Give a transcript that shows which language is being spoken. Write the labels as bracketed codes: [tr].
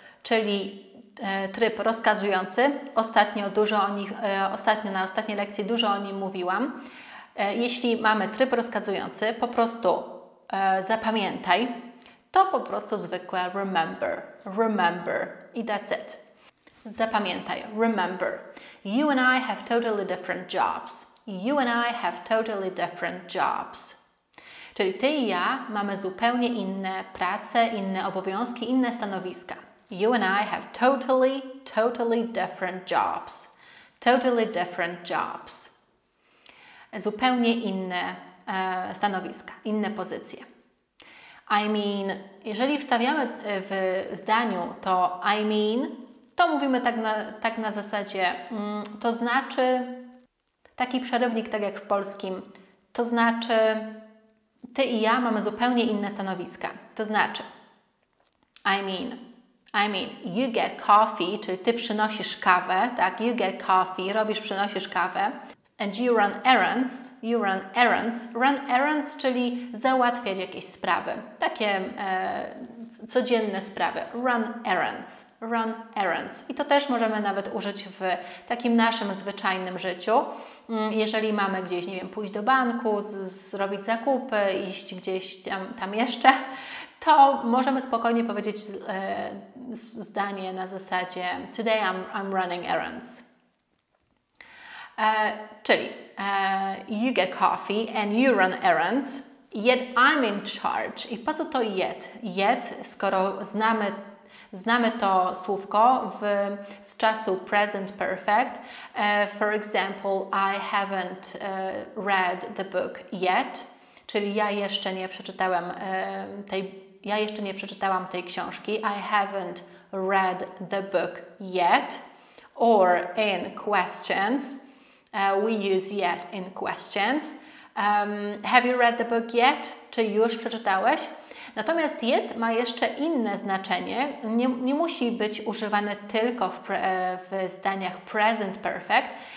[pl] czyli tryb rozkazujący. Ostatnio na ostatniej lekcji dużo o nim mówiłam. Jeśli mamy tryb rozkazujący, po prostu zapamiętaj, to po prostu zwykłe remember i [en] that's it. [pl] Zapamiętaj, remember. [en] You and I have totally different jobs. You and I have totally different jobs. [pl] Czyli ty i ja mamy zupełnie inne prace, inne obowiązki, inne stanowiska. [en] You and I have totally different jobs. Totally different jobs. [pl] Zupełnie inne stanowiska, inne pozycje. I mean, jeżeli wstawiamy w zdaniu to I mean, to mówimy tak na zasadzie, to znaczy, taki przerywnik, tak jak w polskim, to znaczy, ty i ja mamy zupełnie inne stanowiska. To znaczy, [en] I mean, you get coffee, [pl] czyli ty przynosisz kawę, tak, [en] you get coffee, [pl] robisz, przynosisz kawę, [en] and you run errands, [pl] czyli załatwiać jakieś sprawy, takie codzienne sprawy, run errands. I to też możemy nawet użyć w takim naszym zwyczajnym życiu. Jeżeli mamy gdzieś, nie wiem, pójść do banku, zrobić zakupy, iść gdzieś tam jeszcze, to możemy spokojnie powiedzieć zdanie na zasadzie [en] today I'm running errands. [pl] Czyli [en] you get coffee and you run errands, yet I'm in charge. [pl] I po co to yet? Yet, skoro znamy to słówko z czasu present perfect. [en] For example, I haven't read the book yet. [pl] Czyli ja jeszcze nie przeczytałam tej książki. [en] I haven't read the book yet. Or in questions. We use yet in questions. Have you read the book yet? [pl] Czy już przeczytałeś? Natomiast yet ma jeszcze inne znaczenie. Nie musi być używane tylko w zdaniach present perfect.